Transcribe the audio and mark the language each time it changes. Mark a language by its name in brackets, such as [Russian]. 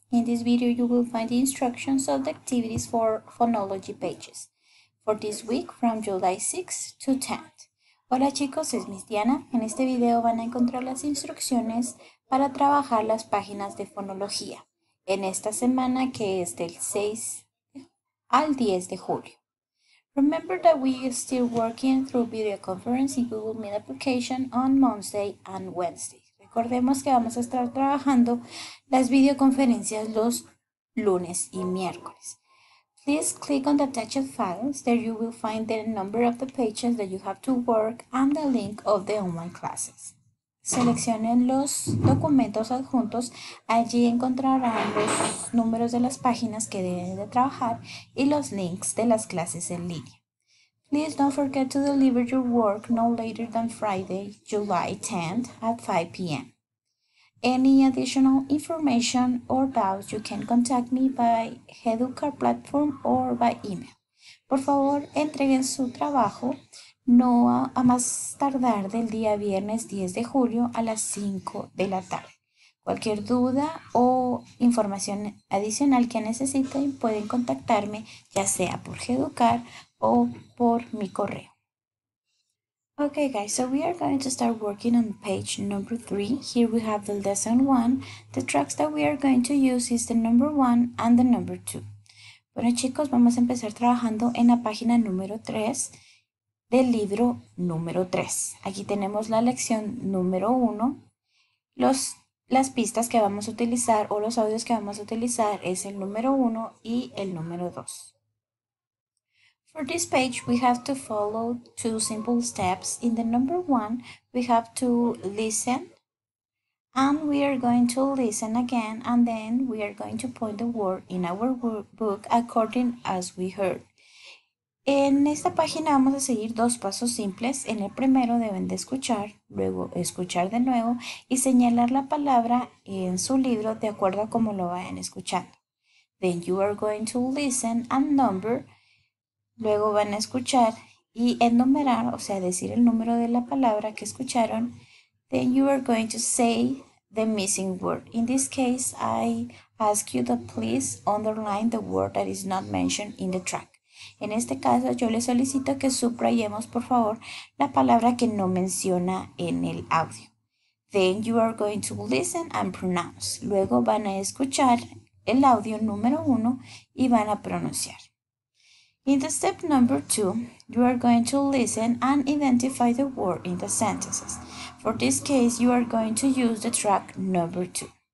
[English] In this video, you will find the instructions of the activities for phonology pages for this week from July 6 to 10. [Spanish] Hola chicos, es Miss Diana. En este video van a encontrar las instrucciones para trabajar las páginas de fonología en esta semana que es del 6 al 10 de julio. [English] Remember that we are still working through video conference in Google Meet application on Monday and Wednesday. [Spanish] Recordemos que vamos a estar trabajando las videoconferencias los lunes y miércoles. [English] Please click on the attached files. There you will find the number of the pages that you have to work and the link of the online classes. [Spanish] Seleccionen los documentos adjuntos. Allí encontrarán los números de las páginas que deben de trabajar y los links de las clases en línea. [English] Please don't forget to deliver your work no later than Friday, July 10th at 5 p.m. Any additional information or doubts, you can contact me by Educar platform or by email. [Spanish] Por favor, entreguen su trabajo no a más tardar del día viernes 10 de julio a las 5 de la tarde. Cualquier duda o información adicional que necesiten pueden contactarme ya sea por Educar o por mi correo. [English] Okay guys, so we are going to start working on page number 3. Here we have the lesson 1. The tracks that we are going to use is the number 1 and the number 2. [Spanish] Bueno chicos, vamos a empezar trabajando en la página número 3 del libro número 3. Aquí tenemos la lección número 1. Las pistas que vamos a utilizar o los audios que vamos a utilizar es el número 1 y el número 2. [English] For this page, we have to follow two simple steps. In the number one, we have to listen, and we are going to listen again, and then we are going to point the word in our book according as we heard. [Spanish] En esta página vamos a seguir dos pasos simples. En el primero deben de escuchar, luego escuchar de nuevo y señalar la palabra en su libro de acuerdo a cómo lo vayan escuchando. [English] Then you are going to listen and number. [Spanish] Luego van a escuchar y enumerar, o sea, decir el número de la palabra que escucharon. [English] Then you are going to say the missing word. In this case, I ask you to please underline the word that is not mentioned in the track. [Spanish] En este caso, yo les solicito que subrayemos, por favor, la palabra que no menciona en el audio. [English] Then you are going to listen and pronounce. [Spanish] Luego van a escuchar el audio número 1 y van a pronunciar. [English] In the step number 2, you are going to listen and identify the word in the sentences. For this case, you are going to use the track number 2.